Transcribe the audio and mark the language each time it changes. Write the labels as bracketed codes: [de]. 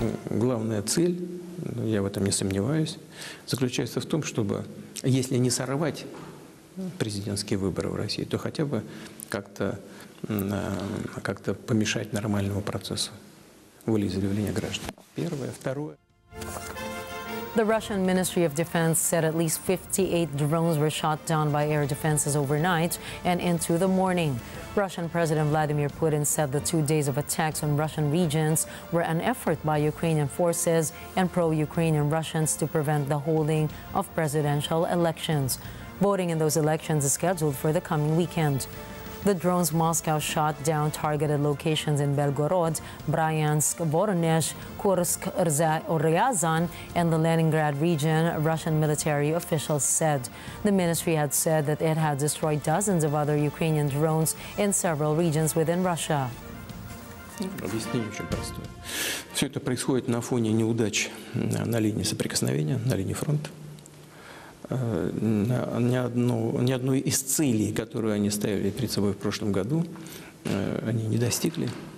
[ru] Главная цель, я в этом не сомневаюсь, заключается в том, чтобы, если не сорвать президентские выборы в России, то хотя бы как-то помешать нормальному процессу воли заявления граждан. Первое. Второе. [en] The Russian Ministry of Defense said at least 58 drones were shot down by air defenses overnight and into the morning. Russian President Vladimir Putin said the 2 days of attacks on Russian regions were an effort by Ukrainian forces and pro-Ukrainian Russians to prevent the holding of presidential elections. Voting in those elections is scheduled for the coming weekend. The drones Moscow shot down targeted locations in Belgorod, Bryansk, Voronezh, Kursk, Ryazan, and the Leningrad region, Russian military officials said. The ministry had said that it had destroyed dozens of other Ukrainian drones in several regions within Russia. [ru] Объяснение очень простое. Все это происходит на фоне неудач на линии соприкосновения, на линии фронта. ни одной из целей, которую они ставили перед собой в прошлом году, они не достигли.